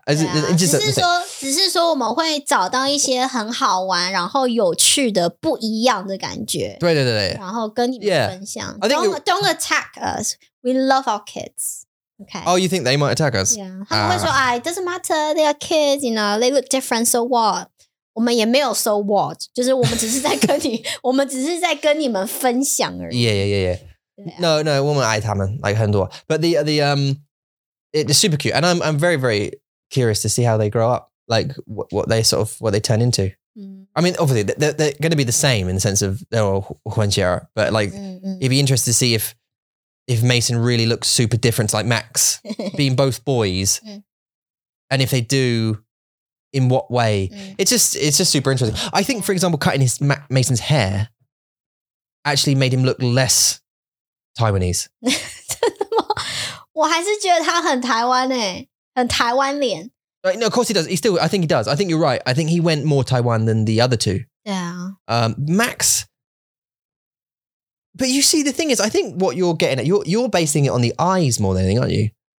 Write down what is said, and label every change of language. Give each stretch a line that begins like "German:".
Chinese: 啊、只是说我们会找到一些很好玩然后有趣的不一样的感觉对对对对然后跟你们分享、yeah.
English: don't attack us We love our kids、okay? Oh, you think they might attack us? Yeah,
Chinese: 他们会说、
English: It doesn't matter, they are kids, you know They look different, so what?
Chinese: 我们也没有
English: so what
Chinese: 就是我们只是在跟你我们只是在跟你们分享而已
English: yeah yeah yeah, yeah. yeah. no
Chinese: 我们爱他们
English: like
Chinese: 很多
English: but it's super cute and I'm very very curious to see how they grow up like what they turn into、mm. I mean obviously they're going to be the same in the sense of they're all Huanxiara but like、mm-hmm. it'd be interesting to see if Mason really looks super different like Max being both boys、mm. and if they dodo in what way?、Mm. It's just super interesting. I think, for example, cutting his Mason's hair actually made him look less Taiwanese.
Chinese: 真的吗？我还是觉得他很台湾诶，很台湾脸。
English: Right, no, of course he does. He still, I think he does. I think you're right. I think he went more Taiwan than the other two. Yeah. Max, but you see, the thing is, I think what you're getting at, you're basing it on the eyes more than anything, aren't you?